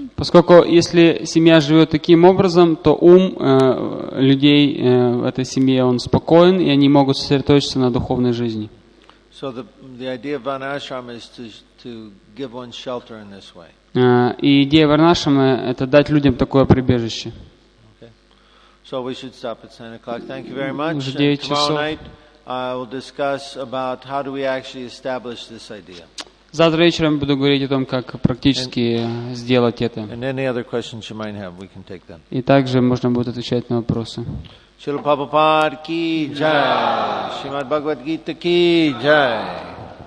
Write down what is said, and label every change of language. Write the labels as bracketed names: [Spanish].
[Russian] Поскольку если семья живет таким образом, то ум людей в этой семье он спокоен и они могут сосредоточиться на духовной жизни. [English] So the idea of Varnashram is to give one shelter in this way. [Russian] И идея Варнашрама это дать людям такое прибежище. [English] Okay. So we should stop at 9 o'clock. Thank you very much. And tomorrow night I will discuss about how do we actually establish this idea. [Russian] Завтра вечером буду говорить о том, как практически сделать это. [English] And any other questions you might have, we can take them. [Russian] И также можно будет отвечать на вопросы. [Hindi] Шрила Прабхупад ки джай. Шримад Бхагавад Гита ки джай.